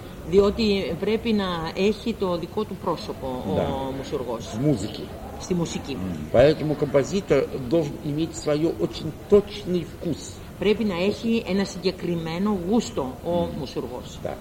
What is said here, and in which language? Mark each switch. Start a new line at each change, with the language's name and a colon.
Greek: Διότι πρέπει να έχει το δικό του πρόσωπο ο μουσουργός. Μουσική. Στη μουσική.
Russian: Поэтому композитор должен иметь свое очень точный вкус.
Greek: Πρέπει να έχει ένα συγκεκριμένο γούστο ο μουσουργός.